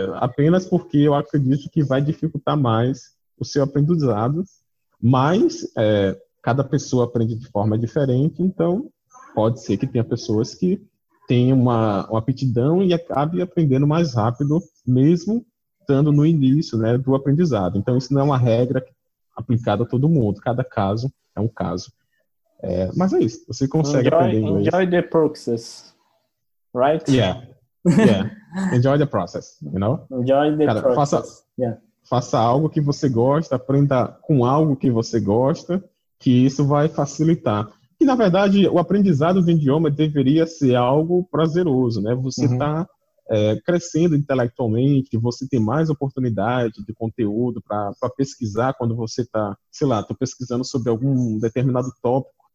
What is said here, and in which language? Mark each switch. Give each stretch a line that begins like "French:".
Portuguese: Apenas porque eu acredito que vai dificultar mais o seu aprendizado, mas cada pessoa aprende de forma diferente, então pode ser que tenha pessoas que tem uma aptidão e acabe aprendendo mais rápido, mesmo estando no início, né, do aprendizado. Então, isso não é uma regra aplicada a todo mundo. Cada caso é um caso. Mas é isso. Você consegue aprender inglês.
English: Enjoy the process, right? Yeah. Enjoy the process, you know? Enjoy the process.
Portuguese: Faça algo que você gosta, aprenda com algo que você gosta, que isso vai facilitar. E, na verdade, o aprendizado do idioma deveria ser algo prazeroso, né? Você está crescendo intelectualmente, você tem mais oportunidade de conteúdo para pesquisar quando você está, sei lá, tô pesquisando sobre algum determinado tópico.